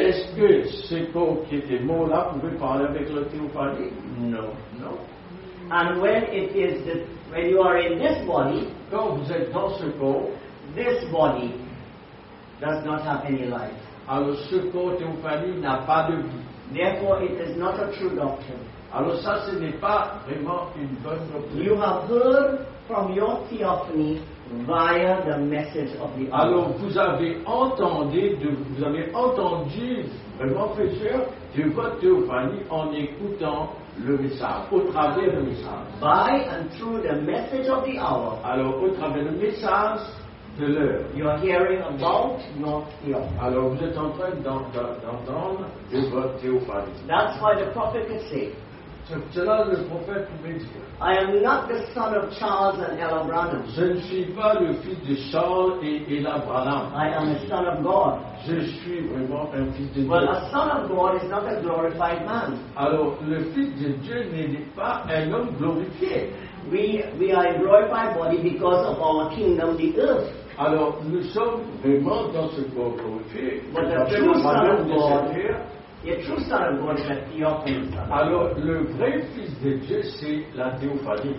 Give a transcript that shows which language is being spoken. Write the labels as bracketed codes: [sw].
[fr] Est-ce que ce corps qui était mort là pouvait parler avec le théophanie? Non. [en] No. And when it is the, when you are in this body, [fr] quand vous êtes dans ce corps, [en] this body does not have any life. [fr] Alors ce corps théophanie n'a pas de vie. [en] Therefore, it is not a true doctrine. [fr] Alors ça, ce n'est pas vraiment une bonne doctrine. [en] You have heard from your theophany via the message of the. [fr] Alors vous avez entendu, vous avez entendu vraiment prêcheur de votre théophanie en écoutant le message, au travers du message. [en] By and through the message of the hour. [fr] Alors au travers du message de l'heure. [en] You are hearing about your theophany. [fr] Alors vous êtes en train d'entendre de votre théophanie. [en] That's why the prophet can say. [fr] Cela le prophète pouvait dire. [en] I am not the son of Charles and Ella Branham. [fr] Je ne suis pas le fils de Charles et Ella Branham. [en] I am a son of God. [fr] Je suis vraiment un fils de Dieu. [en] Well, a son of God is not a glorified man. [fr] Alors, le fils de Dieu n'est pas un homme glorifié. [en] We are a glorified body because of our kingdom, the earth. [fr] Alors, nous sommes vraiment dans ce corps glorifié. [en] But the true son of God. Le true son of God is a theophany. [fr] Alors, le vrai fils de Dieu, c'est la théophanie.